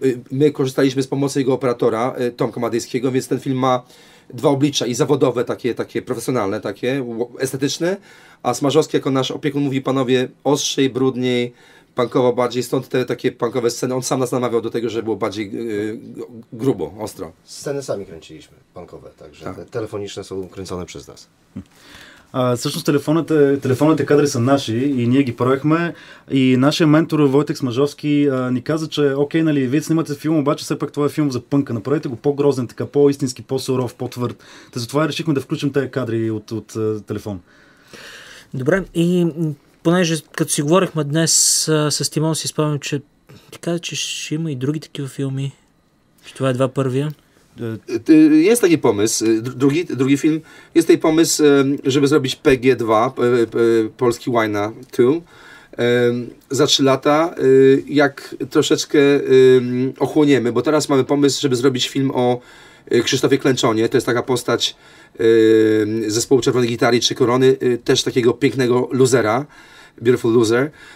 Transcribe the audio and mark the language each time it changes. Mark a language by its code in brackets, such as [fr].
[pl] My korzystaliśmy z pomocy jego operatora, Tomka Madejskiego, więc ten film ma dwa oblicza i zawodowe, takie profesjonalne, takie estetyczne, a Smażowski jako nasz opiekun mówi, panowie, ostrzej, brudniej, punkowo bardziej, stąd te takie punkowe sceny. On sam nas namawiał do tego, żeby było bardziej grubo, ostro. Sceny sami kręciliśmy, punkowe, także tak. Telefoniczne są kręcone przez nas. [bg] Всъщност телефонните кадри са наши и ние ги правихме. И нашия ментор Войтек Смажовски ни каза, че окей, нали, вие снимате филм, обаче все пак това е филм за пънка. Направете го по-грозен, така, по-истински, по-суров, по-твърд. Та затова решихме да включим тези кадри от телефон. Добре, и понеже като си говорихме днес с Тимон, си спомням, че ти каза, че ще има и други такива филми. Че това е два първия. [pl] Jest taki pomysł, drugi film, jest taki pomysł, żeby zrobić PG2, polski Wina 2, za 3 lata, jak troszeczkę ochłoniemy, bo teraz mamy pomysł, żeby zrobić film o Krzysztofie Klęczonie, to jest taka postać zespołu Czerwonej Gitarii czy Korony, też takiego pięknego losera, [en] Beautiful Loser.